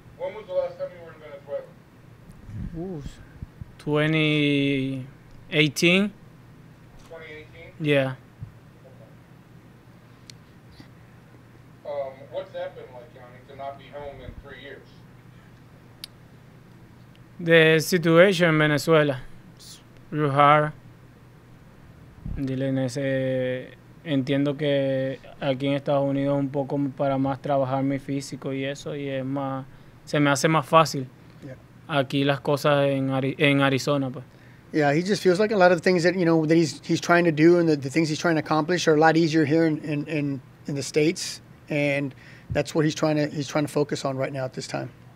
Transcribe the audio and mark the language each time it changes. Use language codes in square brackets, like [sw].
[en] When was the last time you were in Venezuela? 2018. 2018? Yeah. Okay. What's that been like, Johnny, to not be home in 3 years? The situation in Venezuela. [es] Rujar, dile, entiendo que aquí en Estados Unidos es un poco para más trabajar mi físico y eso, y es más, se me hace más fácil aquí las cosas en Arizona, pues. [en] Yeah, he just feels like a lot of the things that, you know, that he's trying to do and the things he's trying to accomplish are a lot easier here in the States, and that's what he's trying to focus on right now at this time.